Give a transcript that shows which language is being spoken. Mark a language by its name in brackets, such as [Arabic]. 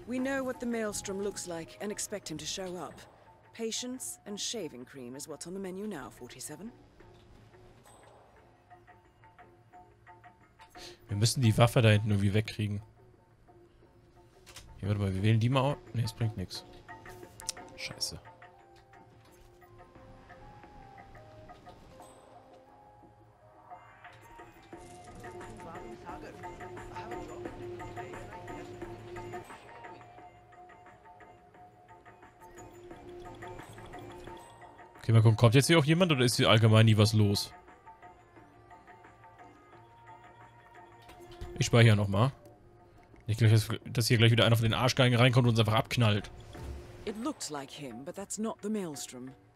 [English] We know what the maelstrom looks like and expect him to show up. Patience and shaving cream is what's on the menu now, 47. [German] Wir müssen die Waffe da hinten irgendwie wegkriegen. Ja, warte mal, wir wählen die mal aus. Nee, es bringt nichts. Scheiße. Okay, mal gucken, kommt jetzt hier auch jemand oder ist hier allgemein nie was los? Ich speichere nochmal. Nicht gleich, dass hier gleich wieder einer von den Arschgeigen reinkommt und uns einfach abknallt. [English] It looks like him, but that's not the maelstrom.